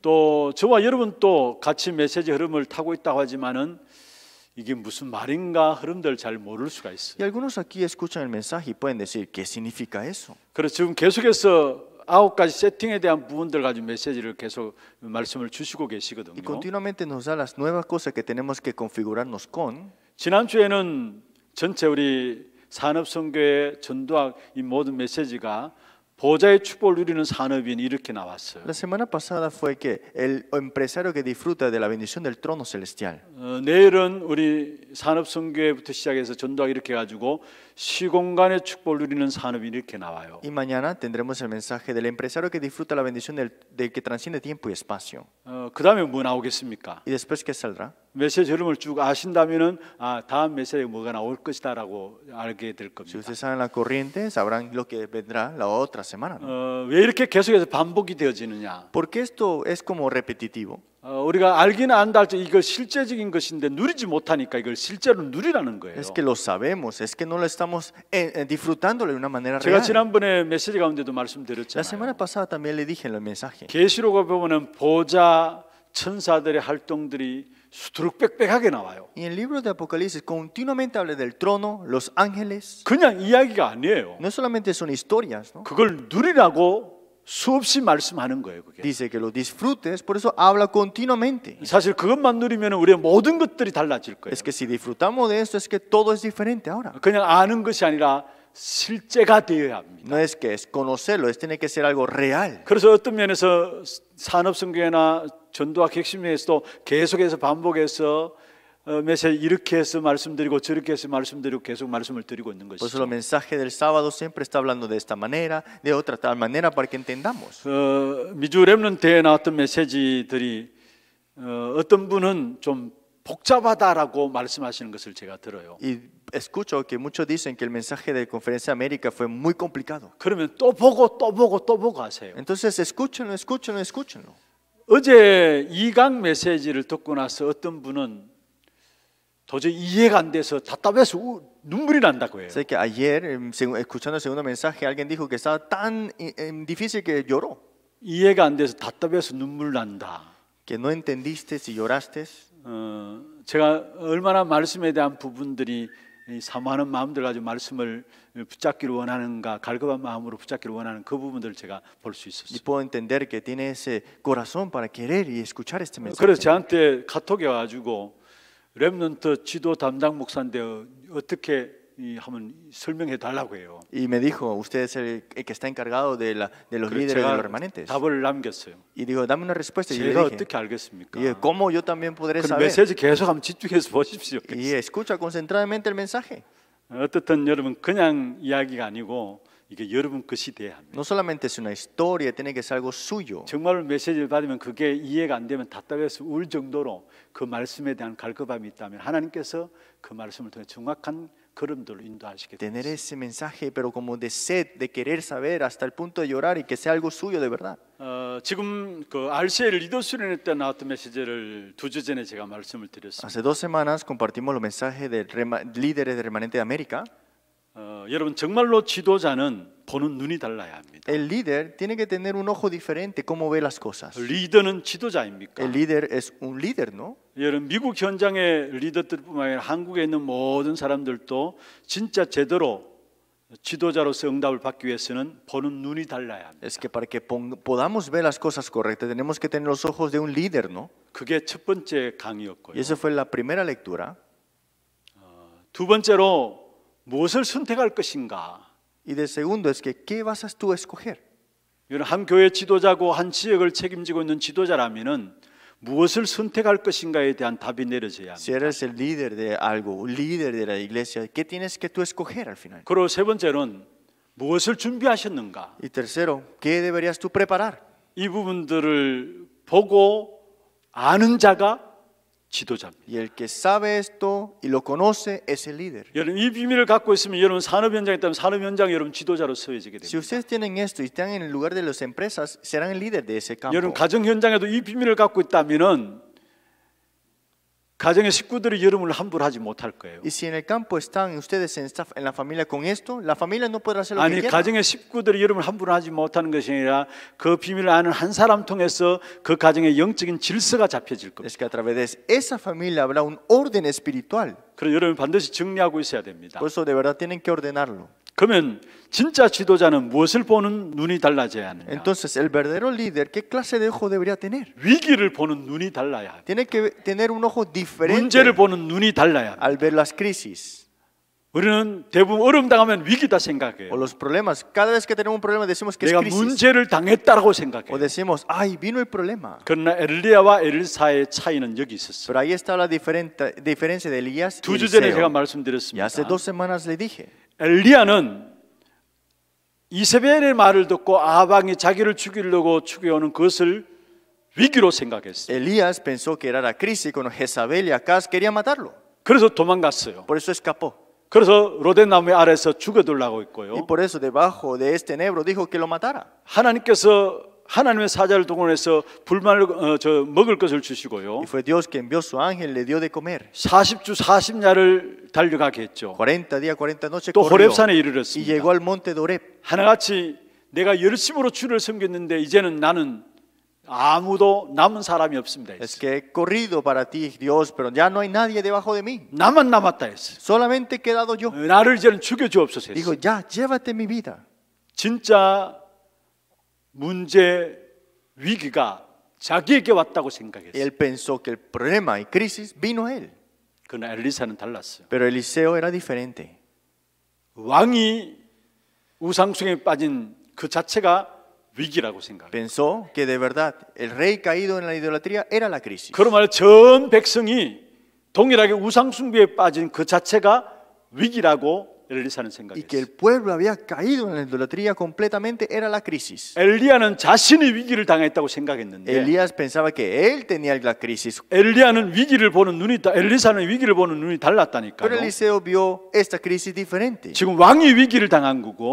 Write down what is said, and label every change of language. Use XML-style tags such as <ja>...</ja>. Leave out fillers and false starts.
<ko>또 저와 여러분 또 같이 메시지 흐름을 타고 있다고 하지만은 이게 무슨 말인가 흐름들 잘 모를 수가 있어요.</ko> <es>Y algunos aquí escuchan el mensaje y pueden decir qué significa eso.</es> <ko>그래서 지금 계속해서 아홉 가지 세팅에 대한 부분들 가지고 메시지를 계속 말씀을 주시고 계시거든요.</ko> <es>Y continuamente nos da las nuevas cosas que tenemos que configurarnos con.</es> <ko>지난주에는 전체 우리 산업 선교의 전도학 이 모든 메시지가 보좌의 축복을 누리는 산업인 이렇게 나왔어요.</ko> <es>La semana pasada fue que el empresario que disfruta de la bendición del trono celestial.</es> <ko>내일은 우리 산업 선교회부터 시작해서 전도학 이렇게 가지고 시공간의 축복을 누리는 산업인 이렇게 나와요.</ko> <es>Y mañana tendremos el mensaje del empresario que disfruta la bendición del que transciende tiempo y espacio.</es> <ko>그다음에 뭐 나오겠습니까?</ko> <es>Y después qué saldrá?</es> <ko>메시지 흐름을 쭉 아신다면은 아 다음 메시지가 뭐가 나올 것이다라고 알게 될 겁니다.</ko> <es>Si ustedes saben la corriente, sabrán lo que vendrá la otra semana.</es> <ko>왜 이렇게 계속해서 반복이 되어지느냐?</ko> <es>Porque esto es como repetitivo.</es> <ko>우리가 알긴 안다 할지 이거 실제적인 것인데 누리지 못하니까 이걸 실제로 누리라는 거예요.</ko> <es>Es que lo sabemos, es que no lo estamos disfrutándolo de una manera real.</es> <ko>제가 지난번에 메시지 가운데도 말씀드렸잖아요.</ko> <es>La semana pasada también le dije en el mensaje.</es> <ko>계시록을 보면은 보좌 천사들의 활동들이 수두룩빽빽하게 나와요.</ko> <es>Y el libro de Apocalipsis continuamente habla del trono, los ángeles.</es> <ko>그냥 이야기가 아니에요.</ko> <es>No solamente son historias, ¿no?</es> <ko>그걸 누리라고 수없이 말씀하는 거예요, 그게.</ko> <es>Dice que lo disfrutes, por eso habla continuamente.</es> <ko>사실 그것만 누리면 우리의 모든 것들이 달라질 거예요.</ko> <es>Es que si disfrutamos de esto es que todo es diferente ahora.</es> <ko>그냥 아는 것이 아니라 실제가 되어야 합니다.</ko> <es>No es que es conocerlo, es tiene que ser algo real.</es> <ko>그래서 어떤 면에서 산업 선교나 전도학 핵심에서도 계속해서 반복해서 메시지 이렇게 해서 말씀드리고 저렇게 해서 말씀드리고 계속 말씀을 드리고 있는 것이죠.</ko> <es>Por eso el mensaje del sábado siempre está hablando de esta manera, de otra tal manera para que entendamos.</es> <ko>미주 렘넌트에 나왔던 메시지들이 어떤 분은 좀 복잡하다라고 말씀하시는 것을 제가 들어요.</ko> <es>Y escucho que muchos dicen que el mensaje de conferencia América fue muy complicado.</es> <ko>그러면 또 보고 또 보고 또 보고 하세요.</ko> <es>Entonces escúchenlo, escúchenlo, escúchenlo.</es> <ko>어제 2강 메시지를 듣고 나서 어떤 분은 도저히 이해가 안 돼서 답답해서 눈물이 난다고 해요.</ko> <es>Sé que ayer escuchando el segundo mensaje alguien dijo que estaba tan difícil que lloró.</es> <ko>이해가 안 돼서 답답해서 눈물 난다.</ko> <es>Que no entendiste si lloraste.</es> <ko>제가 얼마나 말씀에 대한 부분들이 사모하는 마음들 가지고 말씀을 붙잡기를 원하는가 갈급한 마음으로 붙잡기를 원하는 그 부분들을 제가 볼 수 있었어요.</ko> <es>Y puedo entender que tiene ese corazón para querer y escuchar este mensaje.</es> <ko>그래서 저한테 카톡이 와가지고 렘넌트 지도 담당 목사인데 어떻게 하면 설명해 달라고 해요.</ko> <es>Y me dijo, usted es el que está encargado de la de los líderes de los remanentes.</es> <ko>답을 남겼어요.</ko> <es>Y digo, dame una respuesta.</es> <ko>제가</ko> <es>y dije,</es> <ko>어떻게 알겠습니까?</ko> <es>Y yo, ¿cómo yo también podré saber?</es> <ko>그럼 메시지 계속 한번 집중해서 보십시오.</ko> <es>Y escucha concentradamente el mensaje.</es> <ko>어쨌든 여러분 그냥 이야기가 아니고 이게 여러분 것이 돼야 합니다.</ko> <es>No solamente es una historia, tiene que ser algo suyo.</es> <ko>정말 메시지를 받으면 그게 이해가 안 되면 답답해서 울 정도로 그 말씀에 대한 갈급함이 있다면 하나님께서 그 말씀을 통해 정확한 걸음들로 인도하시게 됩니다.</ko> <es>Tener ese mensaje, pero como de sed, de querer saber hasta el punto de llorar y que sea algo suyo de verdad.</es> <ko>지금 그 RCL 리더 수련회 때 나왔던 메시지를 두 주 전에 제가 말씀을 드렸습니다.</ko> <es>Hace dos semanas compartimos los mensajes de líderes de remanente de América.</es> <ko>여러분 정말로 지도자는 보는 눈이 달라야 합니다.</ko> <es>El líder tiene que tener un ojo diferente cómo ve las cosas.</es> <ko>리더는 지도자입니까?</ko> <es>El líder es un líder, ¿no?</es> <ko>여러분 미국 현장의 리더들뿐만 아니라 한국에 있는 모든 사람들도 진짜 제대로 지도자로서 응답을 받기 위해서는 보는 눈이 달라야 합니다.</ko> <es>Es que para que podamos ver las cosas correctas tenemos que tener los ojos de un líder, ¿no?</es> <ko>그게 첫 번째 강의였고요.</ko> <es>Y esa fue la primera lectura.</es> <ko>두 번째로 무엇을 선택할 것인가?</ko> <es>Y de segundo es que ¿qué vas a tú escoger?</es> <ko>여러분 한 교회 지도자고 한 지역을 책임지고 있는 지도자라면은 무엇을 선택할 것인가에 대한 답이 내려져야 합니다.</ko> <es>Si eres el líder de algo, un líder de la iglesia, ¿qué tienes que tú escoger al final?</es> <ko>그리고 세 번째는 무엇을 준비하셨는가?</ko> <es>Y tercero, ¿qué deberías tú preparar?</es> <ko>이 부분들을 보고 아는 자가 지도자입니다.</ko> <es>Y el que sabe esto y lo conoce es el líder.</es> <ko>여러분 이 비밀을 갖고 있으면 여러분 산업 현장에 있다면 산업 현장 여러분 지도자로 쓰여지게 됩니다.</ko> <es>Si ustedes tienen esto y están en el lugar de las empresas, serán el líder de ese campo.</es> <ko>여러분 가정 현장에도 이 비밀을 갖고 있다면은 가정의 식구들이 여러분을 함부로 하지 못할 거예요.</ko> <es>Y si en el campo están ustedes en staff en la familia con esto, la familia no podrá hacer lo</es> <ko>아니,</ko> <es>que quiera.</es> <ko>아니 가정의 식구들이 여러분을 함부로 하지 못하는 것이 아니라 그 비밀을 아는 한 사람 통해서 그 가정의 영적인 질서가 잡혀질 겁니다.</ko> <es>Es que a través de esa familia habrá un orden espiritual.</es> <ko>그럼 여러분 반드시 정리하고 있어야 됩니다.</ko> <es>Por eso de verdad tienen que ordenarlo.</es> <ko>그러면 진짜 지도자는 무엇을 보는 눈이 달라져야 하느냐?</ko> <es>Entonces el verdadero líder qué clase de ojo debería tener?</es> <ko>위기를 보는 눈이 달라야 합니다.</ko> <es>Tiene que tener un ojo diferente.</es> <ko>문제를 보는 눈이 달라야 합니다.</ko> <es>Al ver las crisis.</es> <ko>우리는 대부분 어려움 당하면 위기다 생각해요.</ko> <es>O los problemas. Cada vez que tenemos un problema decimos que es</es> <ko>내가</ko> <es>crisis.</es> <ko>내가 문제를 당했다라고 생각해요.</ko> <es>O decimos, ay, vino el problema.</es> <ko>그러나 엘리야와 엘리사의 차이는 여기 있었어요.</ko> <es>Pero ahí está la diferencia de Elías y Eliseo.</es> <ko>두 주 전에 제가 말씀드렸습니다.</ko> <es>Y hace dos semanas le dije.</es> <ko>엘리야는 이세벨의 말을 듣고 아방이 자기를 죽이려고 죽여오는 것을 위기로 생각했어요.</ko> <es>Elías pensó que era la crisis cuando Jezabel y Acaz quería matarlo.</es> <ko>그래서 도망갔어요.</ko> <es>Por eso escapó.</es> <ko>그래서 로뎀나무 아래서 죽어둘라고 했고요.</ko> <es>Y por eso debajo de este enebro dijo que lo matara.</es> <ko>하나님께서 하나님의 사자를 동원해서 불만을 저 먹을 것을 주시고요.</ko> <es>Y fue Dios quien envió su ángel le dio de comer.</es> <ko>40주 40야를 달려가게 했죠.</ko> <es>40 días 40 noches</es> <ko>또 호렙산에 이르렀습니다.</ko> <es>Y llegó al monte de Horeb.</es> <ko>하나같이 내가 열심으로 주를 섬겼는데 이제는 나는 아무도 남은 사람이 없습니다.</ko> <es>Es que he corrido para ti, Dios, pero ya no hay nadie debajo de mí.</es> <ko>나만 남았다 했어.</ko> <es>Solamente he quedado yo.</es> <ko>나를 이제는 죽여주옵소서.</ko> <es>Dijo, ya, llévate mi vida.</es> <ko>진짜 문제 위기가 자기에게 왔다고 생각했어.</ko> <es>Él pensó que el problema y crisis vino a él.</es> <ko>그러나 엘리사는 달랐어요.</ko> <es>Pero Eliseo era diferente.</es> <ko>왕이 우상숭에 빠진 그 자체가 위기라고 생각.</ko> <es>Pensó que de verdad el rey caído en la idolatría era la crisis.</es> <ko>그러면 전 백성이 동일하게 우상숭배에 빠진 그 자체가 위기라고 엘리사는 생각했어.</ko> <es>Y que el pueblo había caído en la idolatría completamente era la crisis.</es> <ko>엘리야는 자신이 위기를 당했다고 생각했는데.</ko> <es>Elías pensaba que él tenía la crisis.</es> <ko>엘리야는 위기를 보는 눈이 엘리사는 위기를 보는 눈이 달랐다니까요.</ko> <es>Pero Eliseo vio esta crisis diferente.</es> <ko>지금 왕이 위기를 당한 거고.</ko>